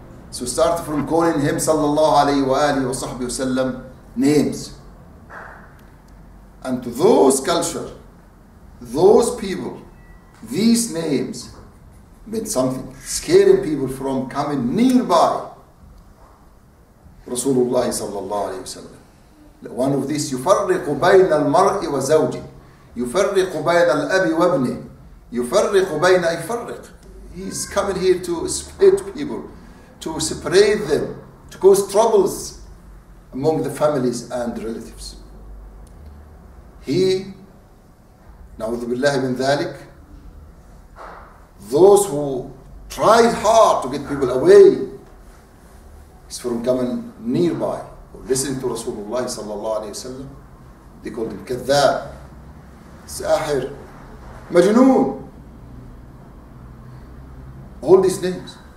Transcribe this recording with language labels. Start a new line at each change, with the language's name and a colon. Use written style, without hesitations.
English: So start from calling him sallallahu alayhi wa alihi wa sahbihi wa sallam names. And to those culture, those people, these names meant something, scaring people from coming nearby Rasulullah sallallahu alayhi wa sallam.
Arabic: One of these, يُفَرِّقُ بَيْنَ الْمَرْءِ وَزَوْجِ يُفَرِّقُ بَيْنَ الْأَبِ وَابْنِ يُفَرِّقُ بَيْنَ يُفَرِّقُ.
English: He's coming here to split people, to separate them, to cause troubles among the families and relatives. He,
Arabic: نعوذ بالله من ذلك,
English: those who tried hard to get people away is from coming nearby or listening to Rasulullah sallallahu alayhi wa sallam, they called him
Arabic: كذاب, ساحر, مجنون,
English: all these names.